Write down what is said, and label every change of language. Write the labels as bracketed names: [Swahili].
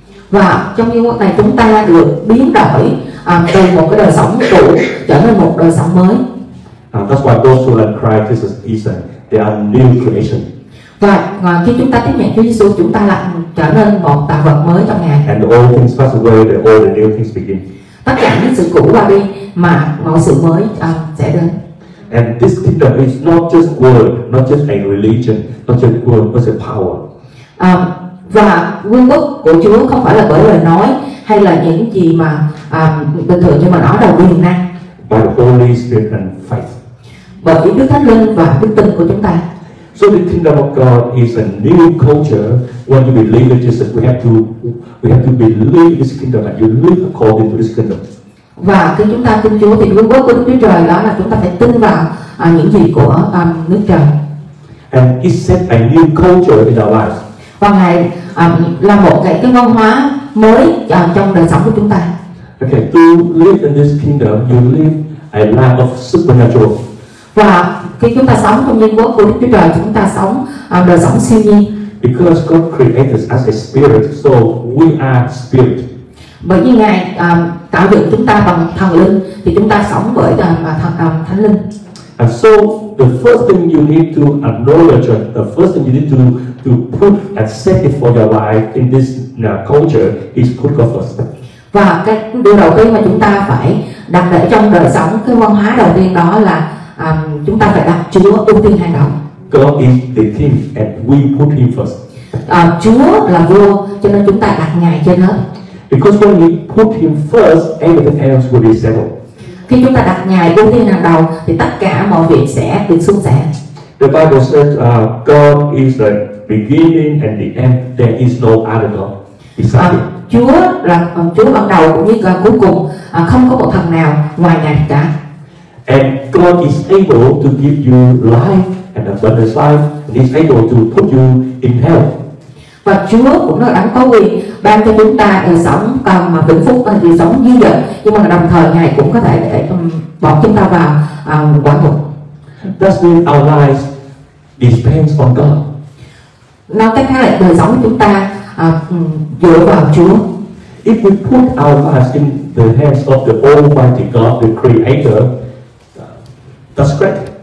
[Vietnamese] Và trong vương quốc này chúng ta được biến đổi từ một cái đời sống cũ trở nên một đời sống mới. [English] That's why those who are in Christ Jesus is they are new creation. [Vietnamese] Và khi chúng ta tiếp nhận Chúa Giêsu, chúng ta lại trở nên một tạo vật mới trong Ngài. [English] And the old things pass away, the old the new things begin. [Vietnamese] Tất cả những sự cũ qua đi mà một sự mới sẽ đến. [English] And this kingdom is not just word, not just a religion, not just word, but a power. [Vietnamese] Và vương quốc của Chúa không phải là bởi lời nói hay là những gì mà bình thường, nhưng mà nó là quyền năng. [English] By the Holy Spirit and faith. [Vietnamese] Bởi Đức Thánh Linh và đức tin của chúng ta. [English] So the kingdom of God is a new culture. When you believe in Jesus, we have to believe this kingdom and you live according to this kingdom. [Vietnamese] Và khi chúng ta tin Chúa thì vương quốc của Đức Chúa Trời đó là chúng ta phải tin vào những gì của nước trời. [English] And it set a new culture in our lives. [Vietnamese] Và Ngài là một cái văn hóa mới trong đời sống của chúng ta. [English] Okay, to live in this kingdom, you live a life of supernatural. [Vietnamese] Và khi chúng ta sống trong vương quốc của Đức Chúa Trời, chúng ta sống đời sống siêu nhiên. [English] Because God created us as a spirit, so we are spirit. [Vietnamese] Bởi vì Ngài tạo dựng chúng ta bằng thần linh thì chúng ta sống bởi thánh linh. [English] And so the first thing you need to acknowledge, the first thing you need to put and set before your life in this culture is put God first. [Vietnamese] Và cái điều đầu tiên mà chúng ta phải đặt để trong đời sống, cái văn hóa đầu tiên đó là chúng ta phải đặt Chúa ưu tiên hàng đầu. [English] God is the king and we put him first. [Vietnamese] Chúa là vua cho nên chúng ta đặt Ngài trên hết. [English] Because when we put him first, everything else will be settled. [Vietnamese] Khi chúng ta đặt Ngài ưu tiên hàng đầu thì tất cả mọi việc sẽ được suôn sẻ. [English] The Bible says God is the beginning and the end. There is no other God besides him. [Vietnamese] Chúa là Chúa ban đầu cũng như cuối cùng, không có một thần nào ngoài Ngài cả. [English] And God is able to give you life and abundance life, and he's able to put you in health. [Vietnamese] Và Chúa cũng là đấng có quyền ban cho chúng ta đời sống còn mà vĩnh phúc và đời sống dư dật, nhưng mà đồng thời Ngài cũng có thể để bỏ chúng ta vào quả ngục. [English] That means our lives depends on God. [Vietnamese] Nói cách khác là đời sống của chúng ta dựa vào Chúa. [English] If we put our lives in the hands of the Almighty God, the Creator, that's great.